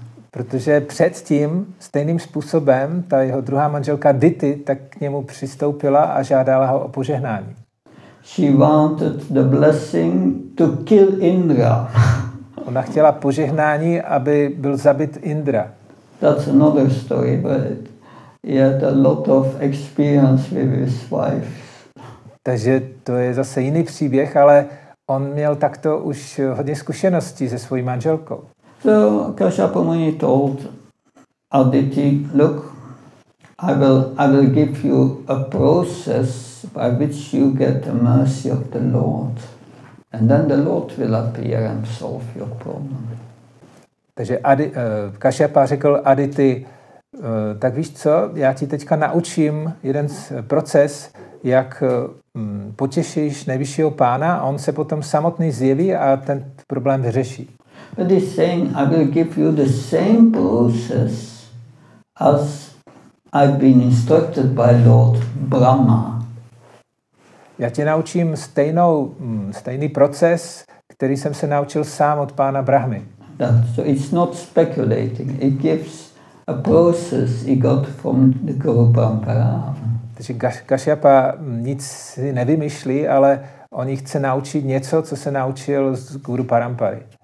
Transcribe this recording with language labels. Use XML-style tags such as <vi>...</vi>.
<cs>Protože předtím stejným způsobem ta jeho druhá manželka Diti tak k němu přistoupila a žádala ho o požehnání.</cs> <en>She wanted the blessing to kill Indra.</en> <cs>Ona chtěla požehnání, aby byl zabit Indra.</cs> <en>That's another story, but he had a lot of experience with his wife.</en> <cs>Takže to je zase jiný příběh, ale on měl takto už hodně zkušeností se svojí manželkou.</cs> <en>So Kashyapa Muni told Aditi, look, I will give you a process by which you get the mercy of the Lord. And then the Lord will appear and solve your problem.</en> <cs>Takže Kashyapa řekl Aditi, tak víš co, já ti teďka naučím jeden proces, jak potěšíš nejvyššího pána a on se potom samotný zjeví a ten problém vyřeší.</cs> <en>But he's saying, I will give you the same process as I've been instructed by Lord Brahma.</en> <cs>Já tě naučím stejný proces, který jsem se naučil sám od pána Brahmy.</cs> <en>So it's not speculating. It gives a process he got from the Guru Parampara.</en> <cs>Takže Kashyapa nic si nevymyšlí, ale on jí chce naučit něco, co se naučil z Guru Parampary.</cs>